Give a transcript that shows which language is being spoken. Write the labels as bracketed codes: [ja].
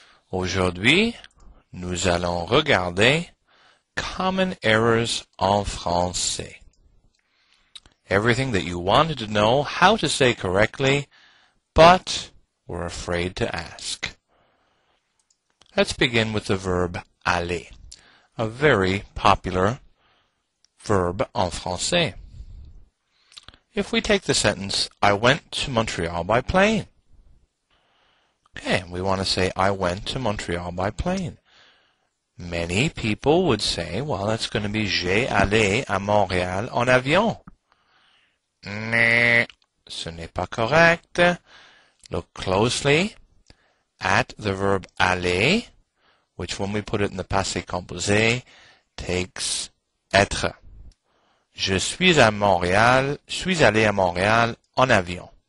[fr] Aujourd'hui, nous allons regarder [en] Common Errors [fr] en Français. [en] Everything that you wanted to know how to say correctly, but were afraid to ask. Let's begin with the verb aller, a very popular verb [fr] en français. [en] If we take the sentence, I went to Montreal by plane. Okay, we want to say, I went to Montreal by plane. Many people would say, well, that's going to be, [fr] j'ai allé à Montréal en avion. Nah, ce n'est pas correct. [en] Look closely at the verb aller, which when we put it in the passé composé, takes être. [fr] Je suis à Montréal, suis allé à Montréal en avion.